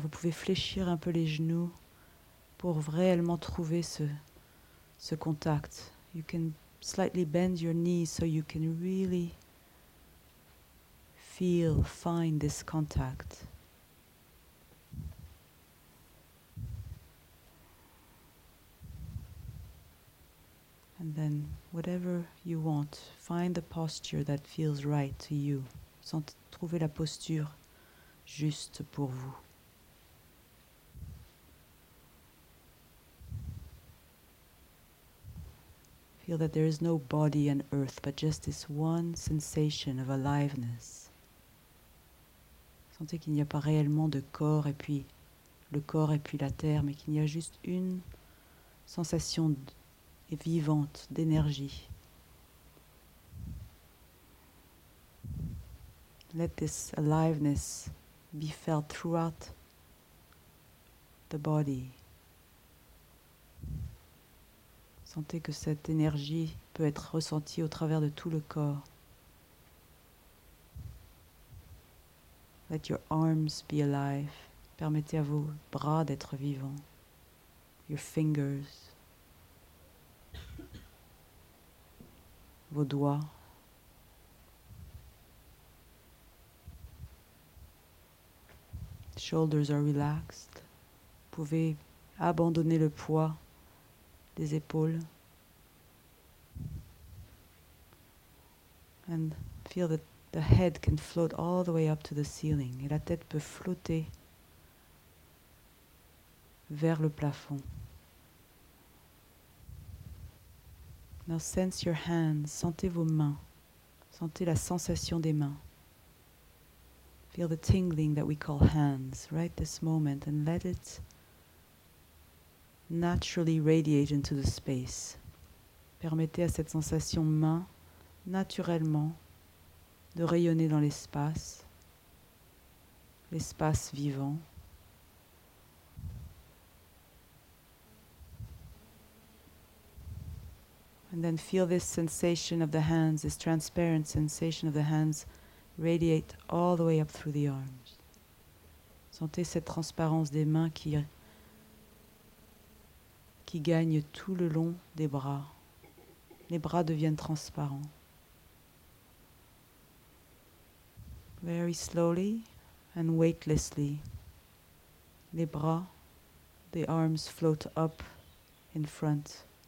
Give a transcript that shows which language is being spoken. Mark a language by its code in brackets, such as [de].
[fr] Vous pouvez fléchir un peu les genoux pour réellement trouver ce contact. [en] You can slightly bend your knees so you can really feel, find this contact. And then, whatever you want, find the posture that feels right to you. [fr] Trouvez la posture juste pour vous. [en] Feel that there is no body and earth, but just this one sensation of aliveness. [fr] Sentez qu'il n'y a pas réellement de corps et puis le corps et puis la terre, mais qu'il y a juste une sensation et vivante d'énergie. [en] Let this aliveness be felt throughout the body. [fr] Sentez que cette énergie peut être ressentie au travers de tout le corps. [en] Let your arms be alive. [fr] Permettez à vos bras d'être vivants. [en] Your fingers. [fr] Vos doigts. [en] Shoulders are relaxed. [fr] Vous pouvez abandonner le poids des épaules. [en] And feel that the head can float all the way up to the ceiling. [fr] Et la tête peut flotter vers le plafond. [en] Now sense your hands, [fr] sentez vos mains, sentez la sensation des mains. [en] Feel the tingling that we call hands right this moment and let it naturally radiate into the space. [fr] Permettez à cette sensation main naturellement de rayonner dans l'espace, l'espace vivant. [en] And then feel this sensation of the hands, this transparent sensation of the hands, radiate all the way up through the arms. [fr] Sentez cette transparence des mains qui gagne tout le long des bras. Les bras deviennent transparents. [en] Very slowly and weightlessly, [fr] les bras, [en] the arms float up in front.